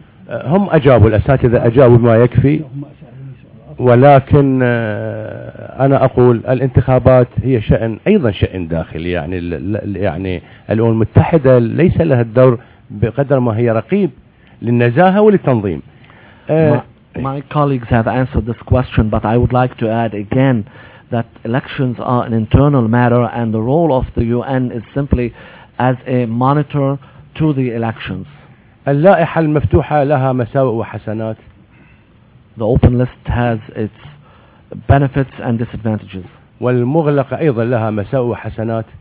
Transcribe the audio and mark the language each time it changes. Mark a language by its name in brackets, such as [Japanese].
[Arabic] هم أجابوا الأساتذة أجابوا ما يكفي ولكن أنا أقول الانتخابات هي شأن أيضا شأن داخلي يعني الأمم المتحدة ليس لها الدور بقدر ما هي رقيب للنزاهة وللتنظيم. [English] My colleagues have answered this question, but I would like to add again that elections are an internal matter and the role of the UN is simply as a monitor to the elections. [Arabic] اللائحة المفتوحة لها مساوئ وحسنات. [English] The open list has its benefits and disadvantages. [Arabic] والمغلقة أيضا لها مساوئ وحسنات.